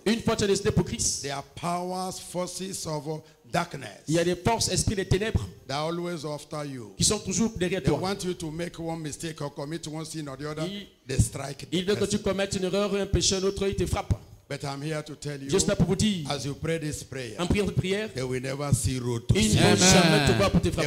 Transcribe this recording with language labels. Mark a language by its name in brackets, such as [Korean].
[French] Une fois que tu as décidé pour Christ. [English] There are powers, forces of darkness. [French] Il y a des forces, esprits des ténèbres. [English] They are always after you. [French] Qui sont toujours derrière [English] they [French] toi. [English] They want you to make one mistake or commit one sin or the other. They strike. [French] Ils veulent que tu commettes une erreur, un péché, un autre, ils te frappent. [English] But I'm here to tell you, [French] juste là pour vous dire, [English] as you pray this prayer, [French] en priant cette prière, [English] they will never see road to [French] ils ne vont jamais te voir pour te frapper.